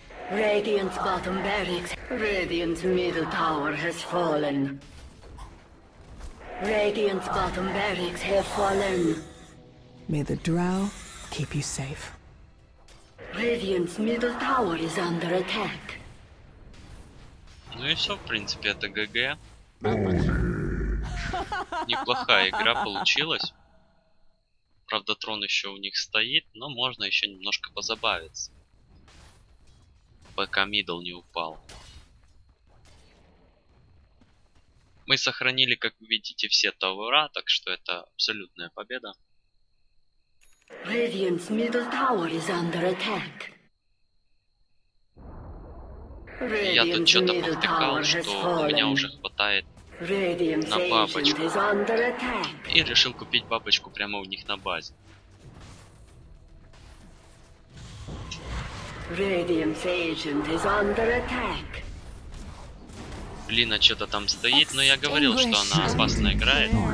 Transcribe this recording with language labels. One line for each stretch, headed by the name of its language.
English: Radiant's bottom barracks. Radiant's middle tower has fallen. Radiant's bottom barracks have fallen. May the drow keep you safe. Radiant's middle tower is under attack.
Russian: Ну и все, в принципе, это ГГ. Неплохая игра получилась. Правда, трон еще у них стоит, но можно еще немножко позабавиться, пока мидл не упал. Мы сохранили, как вы видите, все тауэра, так что это абсолютная победа.
English: Radiant's middle tower is under attack.
Russian: Я тут что-то повтыкал, что у меня уже хватает на бабочку. И решил купить бабочку прямо у них на базе.
English: Radiant's agent is under attack.
Russian: Лина что-то там стоит, но я говорил, что она опасно играет.